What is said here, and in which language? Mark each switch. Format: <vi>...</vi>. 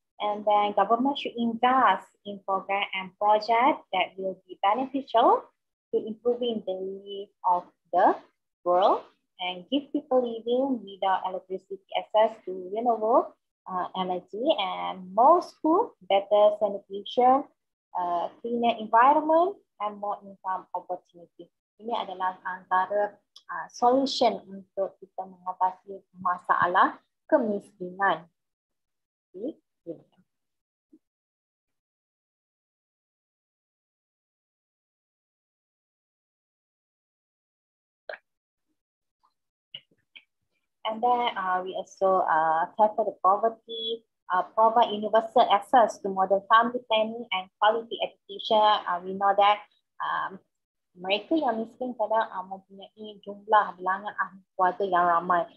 <en>And then government should invest in program and project that will be beneficial to improving the life of the world and give people living without electricity access to renewable energy and more school, better sanitation, cleaner environment, and more income opportunity.</en> <ms>ini adalah antara solution untuk kita mengatasi masalah kemiskinan. Okay.</ms> <en>And then we also tackle the poverty, provide universal access to modern family planning and quality education. We know that</en> <ms>mereka yang miskin kadang mempunyai jumlah bilangan ahli keluarga yang ramai.</ms>